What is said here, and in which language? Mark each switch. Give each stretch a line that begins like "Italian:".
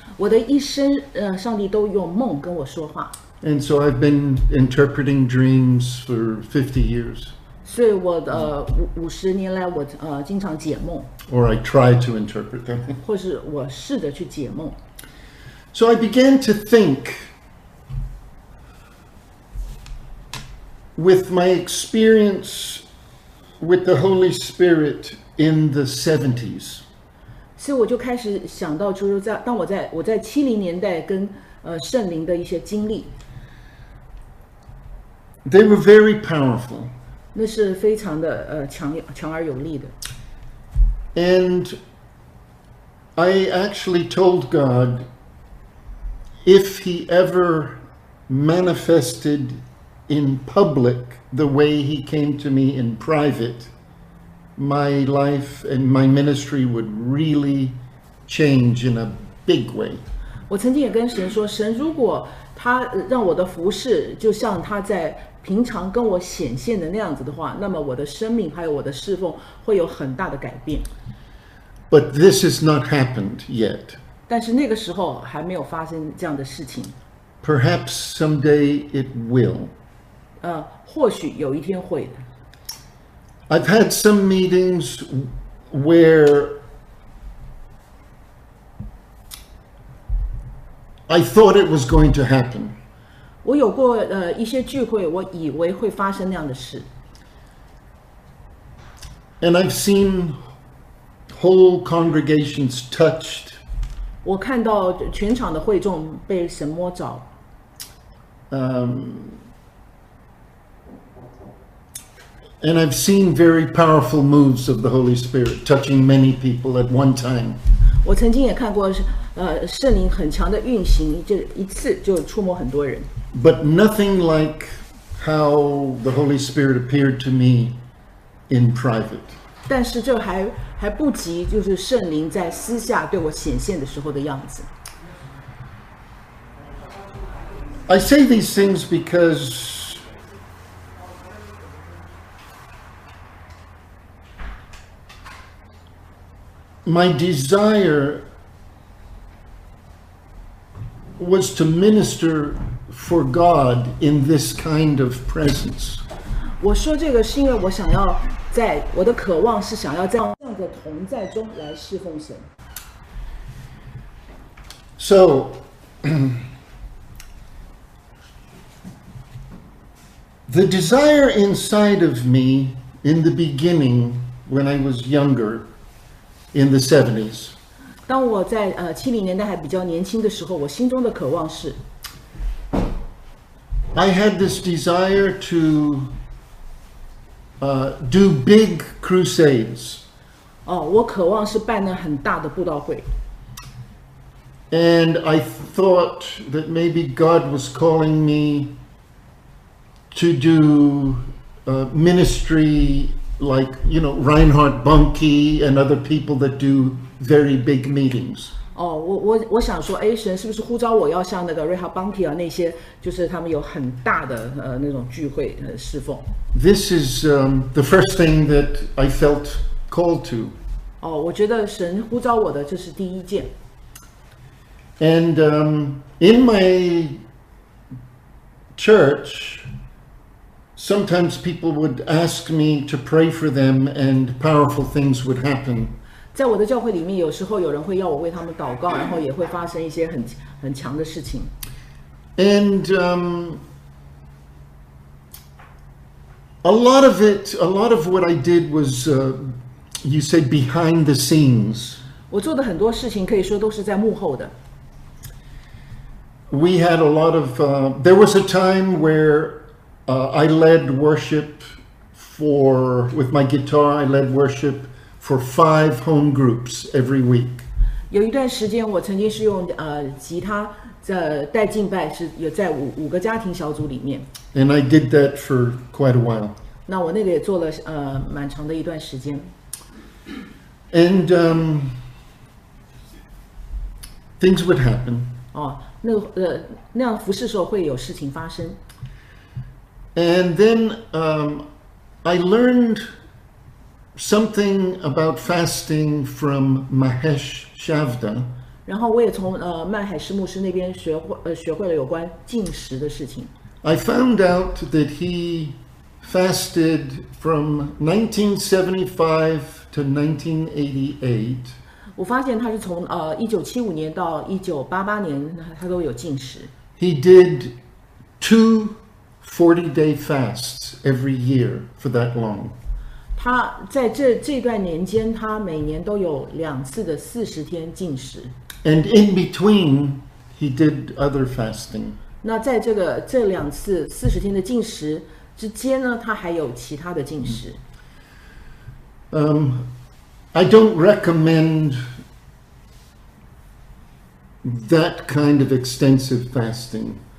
Chinese: 我的一生，上帝都用梦跟我说话。
English: And so I've been interpreting dreams for 50 years.
Chinese: 所以我的五十年来，我经常解梦。
English: Or I try to interpret them.
Chinese: 或是我试着去解梦。
English: So I began to think with my experience with the Holy Spirit in the 70s.
Chinese: 所以我就开始想到，就是在当我在七零年代跟圣灵的一些经历。
English: They were very powerful.
Chinese: 那是非常的强而有力的。
English: And I actually told God, if he ever manifested in public the way he came to me in private, my life and my ministry would really change in a big way.
Chinese: 我曾经也跟神说，神如果他让我的服事就像他在平常跟我显现的那样子的话，那么我的生命还有我的侍奉会有很大的改变。
English: But this has not happened yet.
Chinese: 但是那个时候还没有发生这样的事情。
English: Perhaps someday it will.
Chinese: 或许有一天会的。
English: I've had some meetings where I thought it was going to happen.
Chinese: 我有过一些聚会，我以为会发生那样的事。
English: And I've seen whole congregations touched.
Chinese: 我看到全场的会众被神摸着。
English: And I've seen very powerful moves of the Holy Spirit touching many people at one time.
Chinese: 我曾经也看过圣灵很强的运行，就一次就触摸很多人。
English: But nothing like how the Holy Spirit appeared to me in private.
Chinese: 但是这还不及就是圣灵在私下对我显现的时候的样子。
English: I say these things because my desire was to ministerfor God in this kind of presence.
Chinese: 我说这个是因为我想要在我的渴望是想要在这样的同在中来侍奉神。
English: So, the desire inside of me in the beginning when I was younger in the 70s.
Chinese: 当我在70年代还比较年轻的时候，我心中的渴望是
English: I had this desire to do big crusades.
Chinese: 哦，我渴望是办那很大的布道会。
English: And I thought that maybe God was calling me to do ministry like, you know, Reinhard Bonnke and other people that do very big meetings.
Chinese: 哦、我想说，哎，神是不是呼召我要像那个 Reinhard Bonnke 啊，那些就是他们有很大的那种聚会侍奉。
English: This is the first thing that I felt called to.
Chinese: 哦，我觉得神呼召我的这是第一件。
English: And in my church, sometimes people would ask me to pray for them, and powerful things would happen.
Chinese: 在我的教会里面，有时候有人会要我为他们祷告，然后也会发生一些很强的事情。
English: And a lot of it, a lot of what I did was, you say behind the scenes.
Chinese: 我做的很多事情可以说都是在幕后的。
English: We had a lot of, there was a time where I led worship for, with my guitar, I led worship. For five home groups every week.
Chinese: 有一段时间，我曾经是用吉他在带敬拜，是有在五个家庭小组里面。
English: And I did that for quite a while.
Chinese: 那我那个也做了蛮长的一段时间。
English: And things would happen.
Chinese: 哦，那样服事时候会有事情发生。
English: And then I learned. Something about fasting from Mahesh Shavda.
Chinese: 然后我也从曼海斯牧师那边学会了有关禁食的事情。
English: I found out that he fasted from 1975 to 1988.
Chinese: 我发现他是从1975年到1988年他都有禁食。
English: He did two 40-day fasts every year for that long.
Chinese: 他在这段年间他每年都有两次的40天禁食。
English: And in between, he did other fasting.
Chinese: 那在这两次40天的禁食之间呢，他还有其他的禁食。
English: I don't recommend that kind of extensive fasting.